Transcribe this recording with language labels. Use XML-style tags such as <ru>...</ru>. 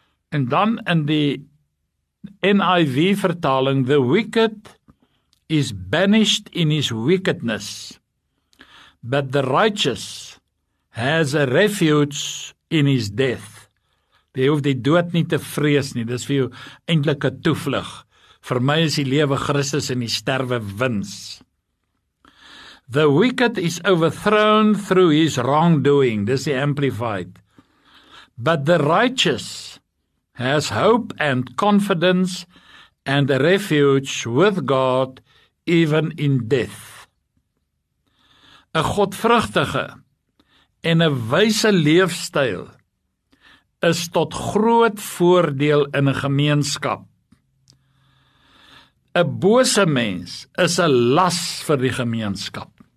<af>En dan in die NIV-vertaling,</af> <en>the wicked is banished in his wickedness, but the righteous has a refuge in his death.</en> <af>Jy hoef die dood nie te vrees nie, dis vir jou eintlik 'n toevlug. Vir my is die lewe Christus en die sterwe wins.</af> <en>The wicked is overthrown through his wrongdoing,</en> <af>dis die amplified.</af> <en>But the righteous has hope and confidence and a refuge with God even in death.</en> <af>'N godvrugtige en 'n wyse leefstyl is tot groot voordeel in 'n gemeenskap. 'N bose mens is 'n las vir die gemeenskap.</af>